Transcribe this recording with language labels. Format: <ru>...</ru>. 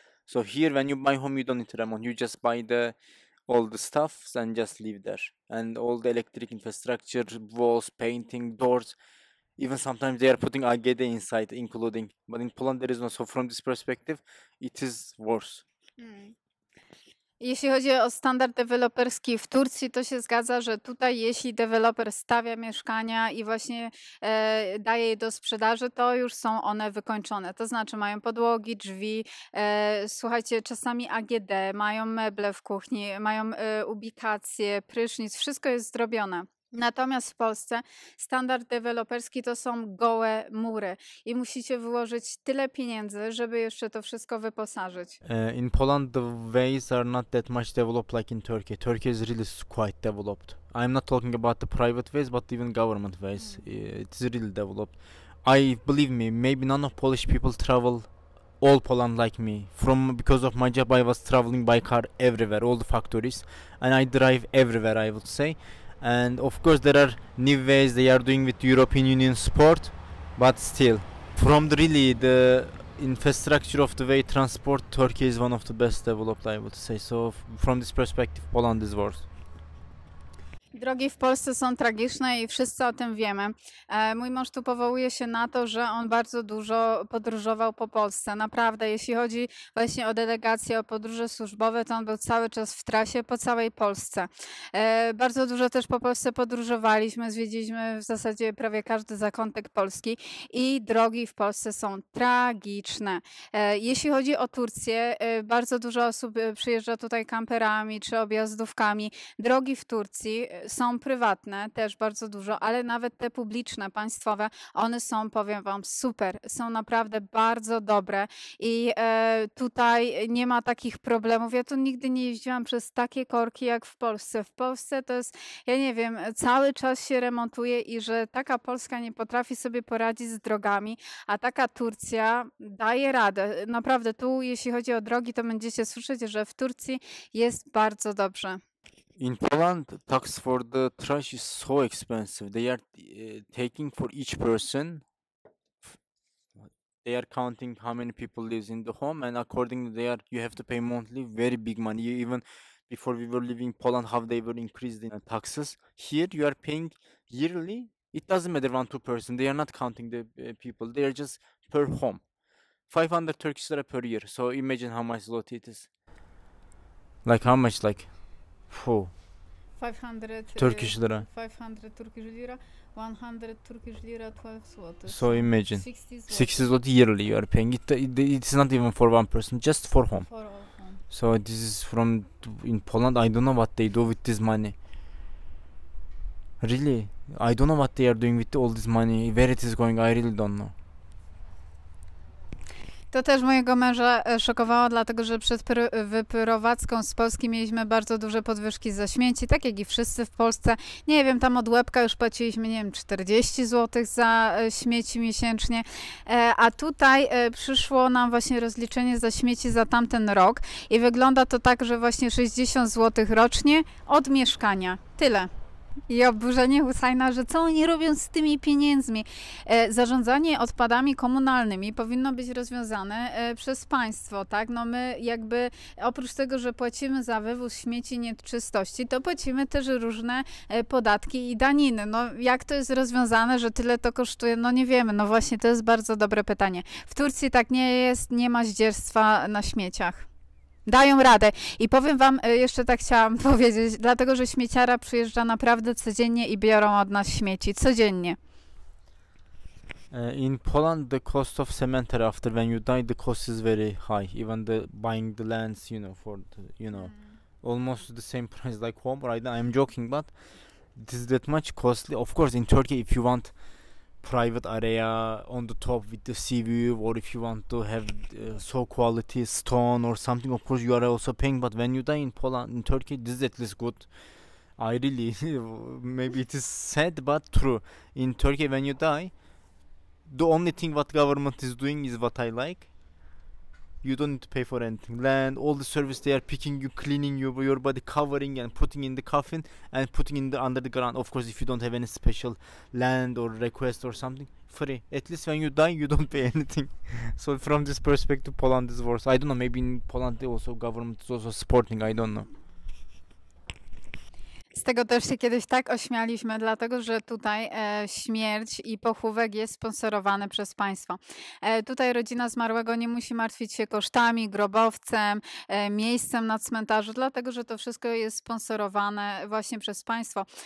<en>So here, when you buy home, you don't need to remount. You just buy all the stuff and just leave there. And all the electric infrastructure, walls, painting, doors, even sometimes they are putting AGD inside, including. But in Poland, there is no. So from this perspective, it is worse.</en> <pl>Jeśli chodzi o standard deweloperski w Turcji, to się zgadza, że tutaj jeśli deweloper stawia mieszkania i właśnie daje je do sprzedaży, to już są one wykończone. To znaczy mają podłogi, drzwi, słuchajcie, czasami AGD, mają meble w kuchni, mają ubikacje, prysznic, wszystko jest zrobione. Natomiast w Polsce standard deweloperski to są gołe mury i musicie wyłożyć tyle pieniędzy, żeby jeszcze to wszystko wyposażyć.</pl> <en>In Poland the ways are not that much developed like in Turkey. Turkey is really quite developed. I'm not talking about the private ways, but even government ways. It's really developed. I believe me, maybe none of Polish people travel all Poland like me. From because of my job I was traveling by car everywhere, all the factories, and I drive everywhere, I would say. And of course there are new ways they are doing with European Union support, but still, from the really the infrastructure of the way transport, Turkey is one of the best developed, I would say. So from this perspective, Poland is worse.</en> <pl>Drogi w Polsce są tragiczne i wszyscy o tym wiemy. Mój mąż tu powołuje się na to, że on bardzo dużo podróżował po Polsce. Naprawdę, jeśli chodzi właśnie o delegacje, o podróże służbowe, to on był cały czas w trasie po całej Polsce. Bardzo dużo też po Polsce podróżowaliśmy, zwiedziliśmy w zasadzie prawie każdy zakątek Polski i drogi w Polsce są tragiczne. Jeśli chodzi o Turcję, bardzo dużo osób przyjeżdża tutaj kamperami czy objazdówkami. Drogi w Turcji są prywatne, też bardzo dużo, ale nawet te publiczne, państwowe, one są, powiem Wam, super. Są naprawdę bardzo dobre i tutaj nie ma takich problemów. Ja tu nigdy nie jeździłam przez takie korki jak w Polsce. W Polsce to jest, ja nie wiem, cały czas się remontuje i że taka Polska nie potrafi sobie poradzić z drogami, a taka Turcja daje radę. Naprawdę tu, jeśli chodzi o drogi, to będziecie słyszeć, że w Turcji jest bardzo dobrze.</pl> <en>In Poland, tax for the trash is so expensive. They are taking for each person. They are counting how many people lives in the home, and accordingly, you have to pay monthly very big money. Even before we were leaving Poland, how they were increased in taxes. Here, you are paying yearly. It doesn't matter one two person. They are not counting the people. They are just per home, 500 Turkish lira per year. So imagine how much lot it is. Like how much like. 500 Turkish lira. 500 Turkish lira. 100 Turkish lira, 12 złotych. So imagine. 60 złotych yearly you are paying. It's not even for one person, just for home. For all home. So this is from in Poland. I don't know what they do with this money. Really? I don't know what they are doing with all this money. Where it is going, I really don't know.</en> <pl>To też mojego męża szokowało, dlatego że przed wyprowadzką z Polski mieliśmy bardzo duże podwyżki za śmieci, tak jak i wszyscy w Polsce. Nie wiem, tam od łebka już płaciliśmy, nie wiem, 40 zł za śmieci miesięcznie. A tutaj przyszło nam właśnie rozliczenie za śmieci za tamten rok i wygląda to tak, że właśnie 60 zł rocznie od mieszkania. Tyle. I oburzenie Husajna, że co oni robią z tymi pieniędzmi? Zarządzanie odpadami komunalnymi powinno być rozwiązane przez państwo, tak? No my jakby oprócz tego, że płacimy za wywóz śmieci i nieczystości, to płacimy też różne podatki i daniny. No jak to jest rozwiązane, że tyle to kosztuje? No nie wiemy. No właśnie, to jest bardzo dobre pytanie. W Turcji tak nie jest, nie ma zdzierstwa na śmieciach. Dają radę. I powiem wam, jeszcze tak chciałam powiedzieć, dlatego że śmieciara przyjeżdża naprawdę codziennie i biorą od nas śmieci. Codziennie.</pl> <en>In Poland the cost of cement after when you die the cost is very high. Even the buying the lands, you know, for the, you know, almost the same price like home. Right? I'm joking, but it is that much costly. Of course, in Turkey, if you want private area on the top with the sea view, or if you want to have so quality stone or something, of course you are also paying. But when you die in Poland, in Turkey, this is at least good. I really, maybe it is sad but true. In Turkey, when you die, the only thing what government is doing is what I like. You don't need to pay for anything. Land, all the service, they are picking you, cleaning you, your body, covering and putting in the coffin and putting in the under the ground. Of course, if you don't have any special land or request or something, free. At least when you die, you don't pay anything. So from this perspective, Poland is worse. I don't know, maybe in Poland also government is also supporting, I don't know.</en> <pl>Z tego też się kiedyś tak ośmialiśmy, dlatego że tutaj śmierć i pochówek jest sponsorowany przez państwo. Tutaj rodzina zmarłego nie musi martwić się kosztami, grobowcem, miejscem na cmentarzu, dlatego że to wszystko jest sponsorowane właśnie przez państwo.</pl>